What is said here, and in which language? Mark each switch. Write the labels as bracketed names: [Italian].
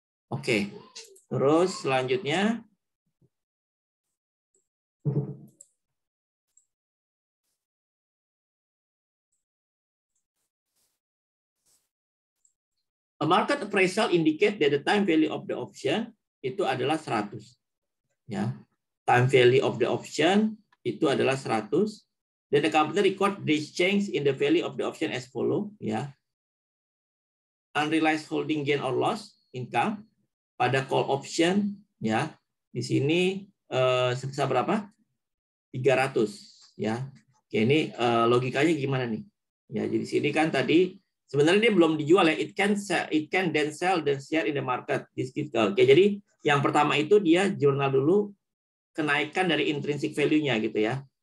[English] Oke. Terus selanjutnya a market appraisal indicate that the time value of the option itu adalah 100. Ya. Time value of the option itu adalah 100. Then the company record this change in the value of the option as follow, ya. Yeah. Unrealized holding gain or loss income pada call option, ya. Yeah. [Indonesian] Di sini sebesar berapa? 300, ya. Yeah. Okay, ini logikanya gimana nih? Ya, yeah, jadi sini kan tadi sebenarnya dia belum dijual ya. [English] It can then sell the share in the market. This gives. [Indonesian] Oke, okay, jadi yang pertama itu dia jurnal dulu kenaikan dari intrinsic value-nya gitu ya.